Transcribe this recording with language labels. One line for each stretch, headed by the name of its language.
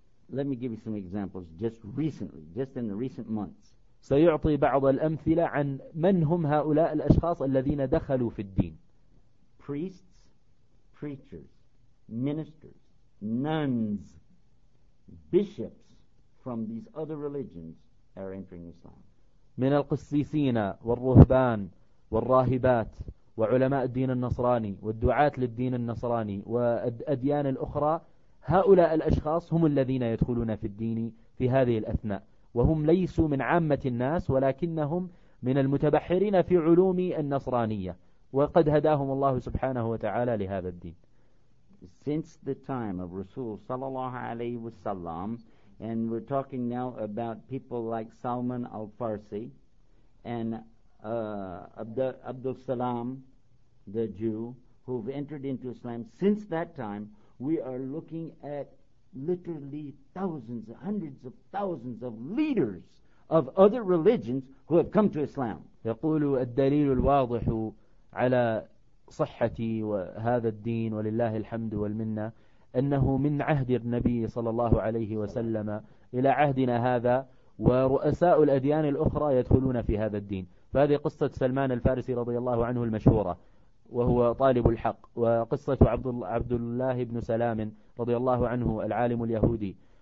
English: Let me give you some examples just recently, just in the recent months.
Arabic: سيعطي بعض الأمثلة عن من هم هؤلاء الأشخاص الذين دخلوا في الدين.
English: Priests, preachers, ministers, nuns, bishops from these other religions are entering Islam.
Arabic: من القسيسين والرهبان والراهبات وعلماء الدين النصراني والدعاة للدين النصراني والأديان الأخرى، هؤلاء الأشخاص هم الذين يدخلون في الدين في هذه الأثناء، وهم ليسوا من عامة الناس ولكنهم من المتبحرين في علوم النصرانية وقد هداهم الله سبحانه وتعالى لهذا الدين.
English: Since the time of Rasul
Arabic: صلى الله عليه وسلم,
English: and we're talking now about people like Salman al-Farsi and Abdul Salam, the Jew, who've entered into Islam. Since that time, we are looking at literally thousands, hundreds of thousands of leaders of other religions who have come to Islam.
Arabic: يقول الدليل الواضح على صحة هذا الدين ولله الحمد والمنة أنه من عهد النبي صلى الله عليه وسلم إلى عهدنا هذا ورؤساء الأديان الأخرى يدخلون في هذا الدين. فهذه قصة سلمان الفارسي رضي الله عنه المشهورة وهو طالب الحق، وقصة عبد الله بن سلام رضي الله عنه العالم اليهودي.